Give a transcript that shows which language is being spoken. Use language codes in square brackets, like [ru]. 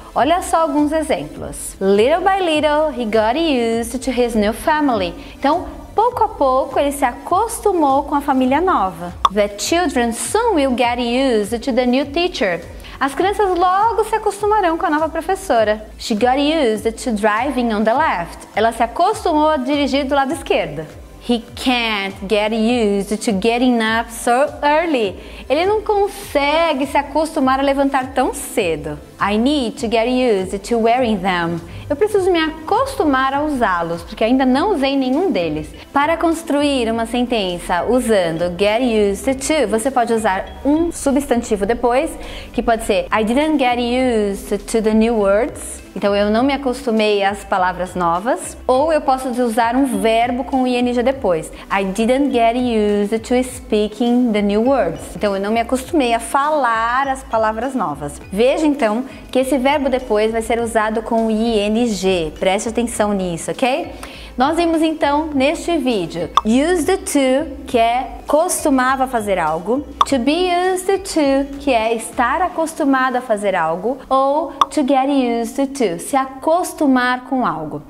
[pt] Olha só alguns exemplos. [en] Little by little, he got used to his new family. [pt] Então, pouco a pouco, ele se acostumou com a família nova. [en] The children soon will get used to the new teacher. [pt] As crianças logo se acostumarão com a nova professora. [en] She got used to driving on the left. [pt] Ela se acostumou a dirigir do lado esquerdo. [en] He can't get used to getting up so early. [pt] Ele não consegue se acostumar a levantar tão cedo. [en] I need to get used to wearing them. [pt] Eu preciso me acostumar a usá-los, porque ainda não usei nenhum deles. Para construir uma sentença usando get used to, você pode usar um substantivo depois, que pode ser [en] I didn't get used to the new words. [pt] Então, eu não me acostumei às palavras novas. Ou eu posso usar um verbo com o ing depois. [en] I didn't get used to speaking the new words. [pt] Então, eu não me acostumei a falar as palavras novas. Veja, então, que esse verbo depois vai ser usado com o ing. Preste atenção nisso, ok? Nós vimos, então, neste vídeo, used to, que é costumava fazer algo, to be used to, que é estar acostumado a fazer algo, ou to get used to, se acostumar com algo.